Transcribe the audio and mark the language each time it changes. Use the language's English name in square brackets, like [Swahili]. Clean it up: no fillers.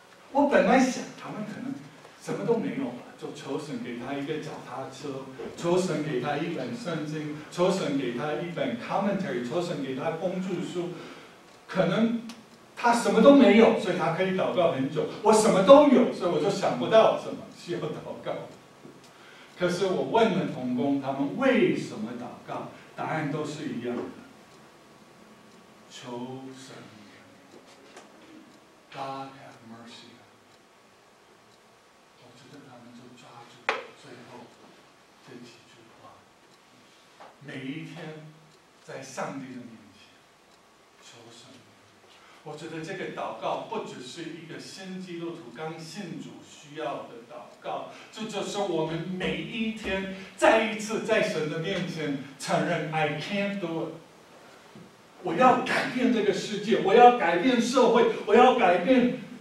[Chinese] 我本来想他们可能什么都没有了，就求神给他一个脚踏车，求神给他一本圣经，求神给他一本 commentary， 求神给他工具书，可能。他什么都没有，所以他可以祷告很久。我什么都有，所以我就想不到什么需要祷告。可是我问了同工，他们为什么祷告，答案都是一样的。求神 [English] God have mercy。 [Chinese] 我觉得他们就抓住最后这几句话，每一天在上帝的面前求神。我觉得这个祷告不只是一个新基督徒刚信主需要的祷告，这就是我们每一天再一次在神的面前承认 [English] I can't do it， [Chinese] 我要改变这个世界，我要改变社会，我要改变